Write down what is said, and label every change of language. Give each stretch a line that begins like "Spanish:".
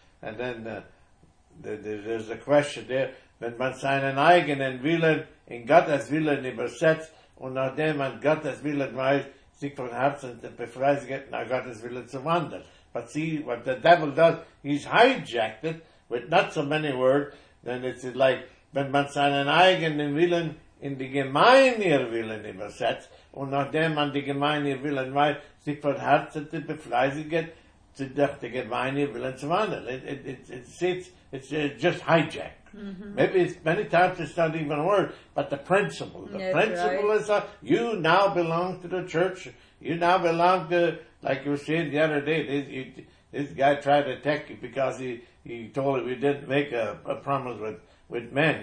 English: And then there's a question there.
German: Wenn man seinen eigenen Willen in Gottes Willen übersetzt und nachdem man Gottes Willen weiß, sich von Herzen zu befreien, nach Gottes Willen zu wandern.
English: But see, what the devil does, he's hijacked it with not so many words. Then it's like,
German: wenn man seinen eigenen Willen in die gemeinen Willen übersetzt und nachdem man die gemeinen Willen weiß, sich von Herzen zu befreien, durch die gemeinen Willen zu wandern.
English: It's just hijacked. Mm-hmm. Maybe it's many times it's not even a word, but the principle, right. Is you now belong to the church. You now belong to, like you were saying the other day, this guy tried to attack you because he told you you didn't make a promise with men.